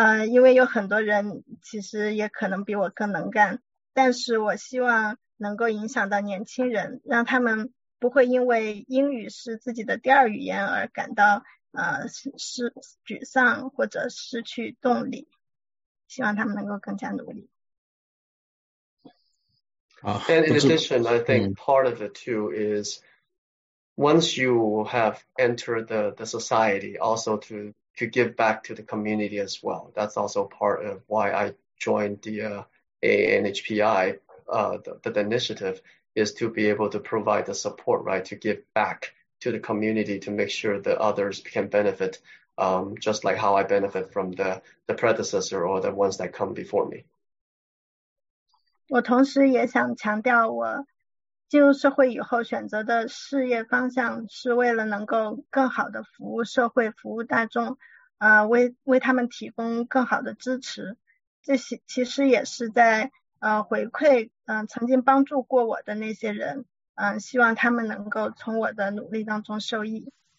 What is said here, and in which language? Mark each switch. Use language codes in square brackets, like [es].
[zh] 因为有很多人其实也可能比我更能干，但是我希望能够影响到年轻人，让他们不会因为英语是自己的第二语言而感到是沮丧或者失去动力，希望他们能够更加努力。 [en] And in addition, I think part of it too is once you have entered the society, also to give back to the community as well. That's also part of why I joined the AANHPI, the initiative is to be able to provide the support, right, to give back to the community to make sure that others can benefit, just like how I benefit from the predecessor or the ones that come before me. [zh] 我同时也想强调，我进入社会以后选择的事业方向是为了能够更好的服务社会，服务大众，为他们提供更好的支持。这些其实也是在回馈曾经帮助过我的那些人，希望他们能够从我的努力当中受益。